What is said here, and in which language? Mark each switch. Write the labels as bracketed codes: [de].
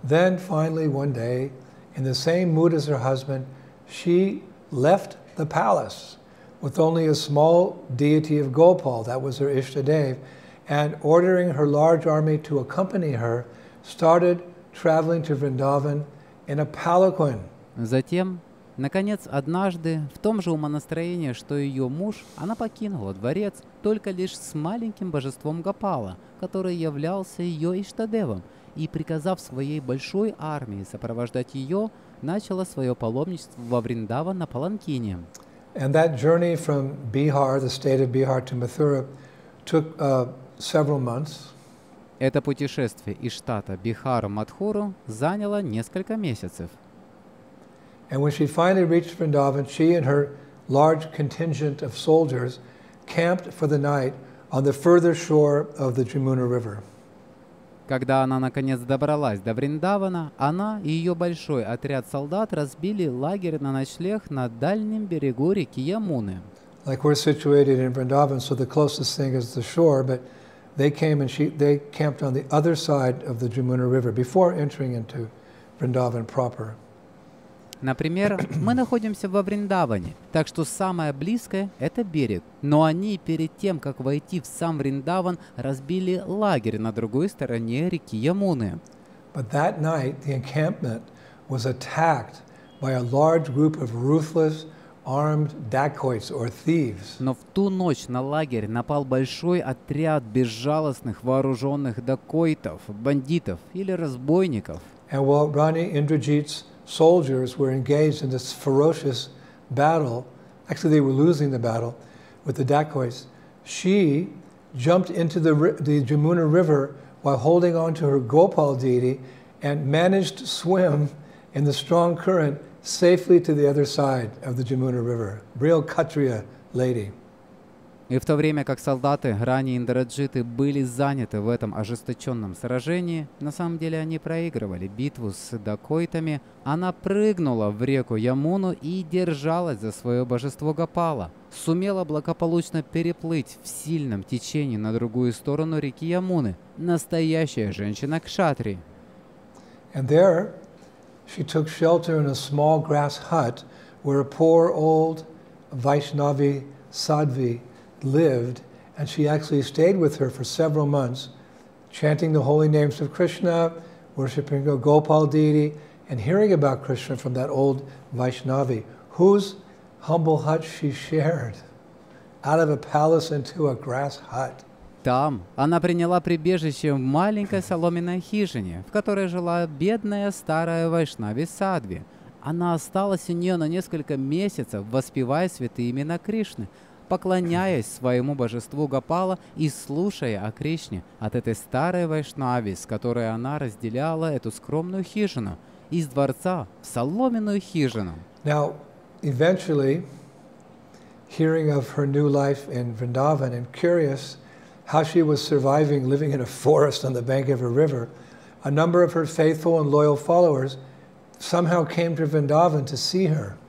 [en] Then finally one day, in the same mood as her husband, she left the palace with only a small deity of Gopal, that was her Ishtadev, and ordering her large army to accompany her, started traveling to Vrindavan in a palanquin. [ru] Затем наконец, однажды, в том же умонастроении, что и ее муж, она покинула дворец только лишь с маленьким божеством Гопала, который являлся ее Иштадевом, и, приказав своей большой армии сопровождать ее, начала свое паломничество во Вриндаван на паланкине. [en] And that journey from Bihar, the state of Bihar, to Mathura took several months. [ru] Это путешествие из штата Бихар в Матхуру заняло несколько месяцев. [en] And when she finally reached Vrindavan, she and her large contingent of soldiers camped for the night on the further shore of the Yamuna River. [ru] Когда она наконец добралась до Вриндавана, она и ее большой отряд солдат разбили лагерь на ночлег на дальнем берегу реки Ямуны. [en] Like we're situated in Vrindavan, so the closest thing is the shore, but they came and they camped on the other side of the Yamuna River before entering into Vrindavan proper. [ru] Например, мы находимся во Вриндаване, так что самое близкое — это берег. Но они перед тем, как войти в сам Вриндаван, разбили лагерь на другой стороне реки Ямуны. [en] But that night the encampment was attacked by a large group of ruthless, armed dacoits or thieves. [ru] Но в ту ночь на лагерь напал большой отряд безжалостных вооруженных дакоитов, бандитов или разбойников. [en] And while Rani Indrajit's soldiers were engaged in this ferocious battle, actually they were losing the battle with the dacoits, she jumped into the Yamuna River while holding on to her Gopal deity and managed to swim in the strong current safely to the other side of the Yamuna River. Real Kshatriya lady. [ru] И в то время, как солдаты Рани Индраджиты были заняты в этом ожесточенном сражении, на самом деле они проигрывали битву с дакоитами, она прыгнула в реку Ямуну и держалась за свое божество Гопала, сумела благополучно переплыть в сильном течении на другую сторону реки Ямуны. Настоящая женщина кшатри. [en] And there she took shelter in a small grass hut where a poor old Vaishnavi sadhvi lived, and she actually stayed with her for several months, chanting the holy names of Krishna, worshipping the Gopal deity, and hearing about Krishna from that old Vaishnavi, whose humble hut she shared, out of a palace into a grass hut. [ru] Там она приняла прибежище в маленькой соломенной хижине, в которой жила бедная старая Вайшнави Садви. Она осталась у нее на несколько месяцев, воспевая святые имена Кришны, поклоняясь своему божеству Гопала и слушая о Кришне от этой старой Вайшнави, с которой она разделяла эту скромную хижину, из дворца в соломенную хижину. [en] Now, eventually, hearing of her new life in Vrindavan and curious how she was surviving living in a forest on the bank of a river, a number of her faithful and loyal followers somehow came to Vrindavan to see her.